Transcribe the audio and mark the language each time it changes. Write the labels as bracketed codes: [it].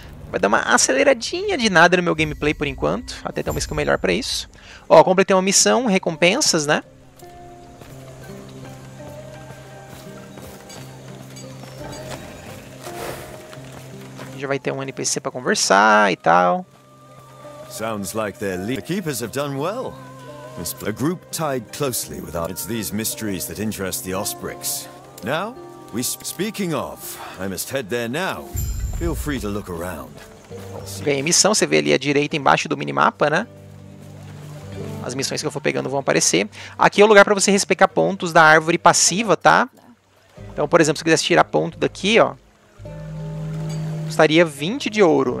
[pt] Vai dar uma aceleradinha de nada no meu gameplay por enquanto. Até ter uma skill melhor pra isso. Ó, completei uma missão, recompensas, né? Já vai ter um NPC pra conversar e tal. [en] Sounds like their leader. The keepers have done well. A group tied closely with our... It's these mysteries that interest the Osprix. Now, we speaking of, I must head there now. Feel free to look around. [pt] Bem, missão, você vê ali à direita embaixo do minimapa, né? As missões que eu for pegando vão aparecer. Aqui é o lugar para você respeitar pontos da árvore passiva, tá? Então, por exemplo, se quiser tirar ponto daqui, ó, custaria 20 de ouro.